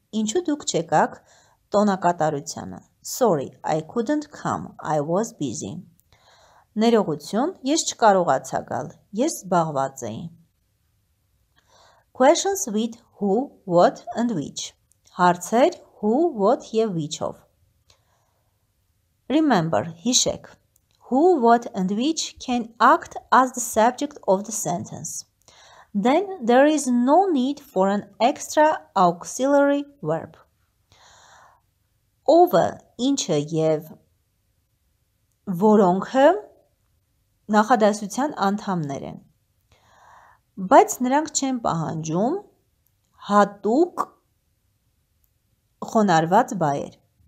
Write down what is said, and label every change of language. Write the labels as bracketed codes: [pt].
[hy] Ինչու դուք չեկաք տոնակատարությանը? [en] Sorry, I couldn't come. I was busy. [hy] Ներողություն, ես չկարողացա գալ. Ես զբաղված էի. [en] Questions with who, what and which. [hy] Հարցեր who, what և which-ով. [en] Remember, [hy] հիշեք. [en] Who, what and which can act as the subject of the sentence. Then there is no need for an extra auxiliary verb. [hy] Ովը, ինչը և որոնքը նախադասության անդամներ են. Բայց նրանք չեն պահանջում հատուկ խոնարհված բայեր.